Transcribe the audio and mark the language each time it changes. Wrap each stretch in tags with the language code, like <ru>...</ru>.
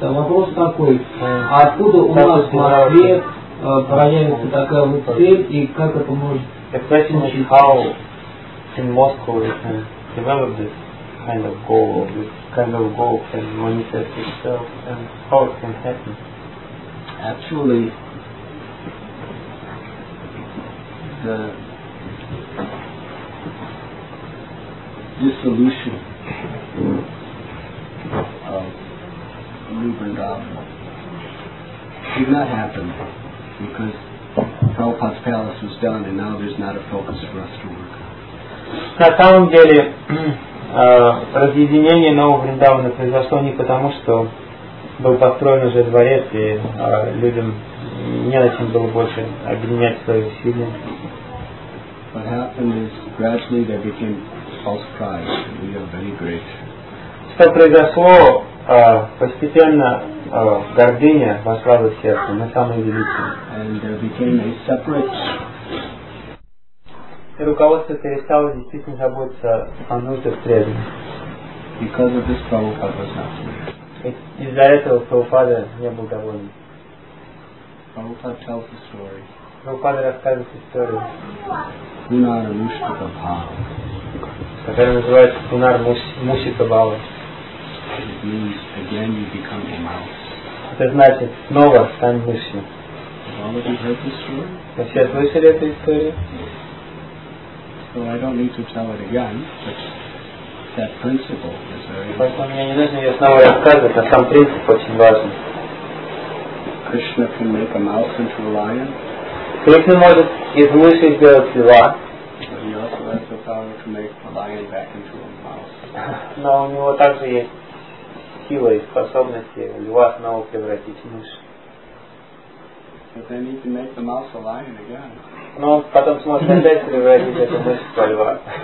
<ru>А вопрос такой, а откуда у нас в Москве проявится такая вот цель и как это может случиться?</ru> <en>in Moscow you can develop this kind of goal, or this kind of goal can manifest itself, and how it can happen? Actually, the dissolution of Rupa-Dhamma did not happen because Prabhupada's palace was done and now there's not a focus for us to work on.</en> <ru>На самом деле, разъединение нового Вриндавана произошло не потому, что был построен уже дворец, и людям не на чем было больше объединять свои усилия.</ru> <en>What happened is gradually there became false pride. We are very great.</en> <ru>Что произошло, постепенно гордыня вошла в сердце, мы самые великие.</ru> <en>And there became a separate...</en> <ru>И руководство перестало действительно заботиться о нуждах преданных.</ru> <en>Because of this, Prabhupada was not happy.</en> <ru>Из-за этого Прабхупада не был доволен.</ru> <en>Prabhupada tells the story.</en> <ru>Прабхупада рассказывает историю. Кунар Мушита Бхава. Которая называется Кунар Мушита Бхава.</ru> <en>It means again you become a mouse.</en> <ru>Это значит, снова стань мышью. Вы все слышали эту историю?</ru> <en>So I don't need to tell it again, but that principle is very important. Krishna can make a mouse into a lion.</en> <ru>Krishna может из мыши сделать льва.</ru> <en>But he also has the power to make a lion back into a mouse.</en> <ru>Но у него также есть сила и способности льва снова превратить в мышь.</ru> <en>But they need to make the mouse a lion again.</en> <ru>Но потом сможет опять превратить эту мышь в льва.</ru>